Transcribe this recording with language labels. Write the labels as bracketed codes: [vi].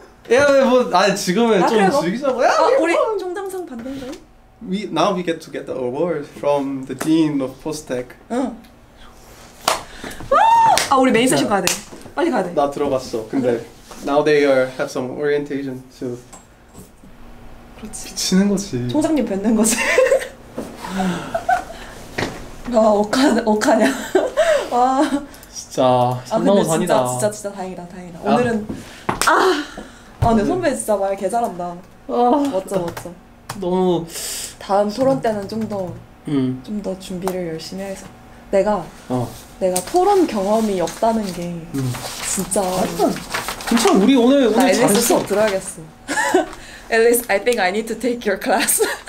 [ko] 예, 뭐, 아니, 지금은 좀 즐기자고요. 우리 종담상 받는다니? [en] Now we get to get the award from the dean of Post-Tech. [ko] 응. 아, 우리 메인 세션 가야 돼. 빨리 가야 돼. 나 들어봤어. 근데 [en] now they have some orientation to. [ko] 그렇지. 미치는 거지. 총장님 뵙는 거지. 와, 억하냐. 와. 진짜 장난으로 다니다. 진짜 다행이다, 다행이다. 야. 오늘은 아, 근데 선배 진짜 말 개 잘한다. 아, 멋져. 너무 다음 토론 때는 좀 더 준비를 열심히 해서 내가 토론 경험이 없다는 게 진짜 괜찮아. 우리 오늘 잘했어. 들어야겠어. [en] At least I think I need to take your class.